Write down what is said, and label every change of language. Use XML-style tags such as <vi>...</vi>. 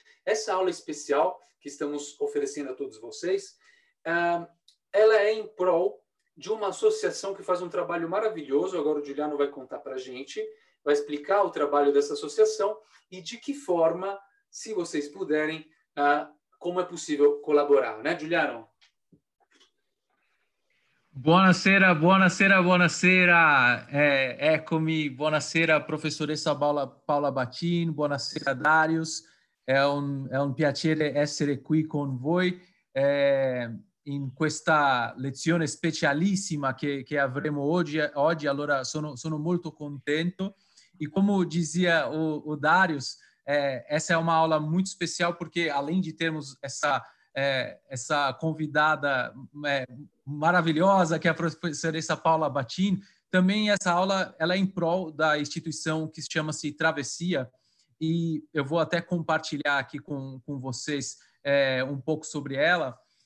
<pt>Essa aula especial que estamos oferecendo a todos vocês, ela é em prol de uma associação que faz um trabalho maravilhoso. Agora o Juliano vai contar para a gente, vai explicar o trabalho dessa associação e de que forma, se vocês puderem, como é possível colaborar, né, Juliano?</pt> <it>Buonasera, buonasera, buonasera. Eccomi, buonasera professoressa Paola Bacin, buonasera Darius. È un piacere essere qui con voi. in questa lezione specialissima che avremo oggi. Allora sono molto contento.</it> <pt>E como dizia o Darius, essa é uma aula muito especial, porque além de termos essa convidada maravilhosa, que é a professora Paula Batin, também essa aula ela é em prol da instituição que chama-se Travessia, e eu vou até compartilhar aqui com vocês um pouco sobre ela.</pt>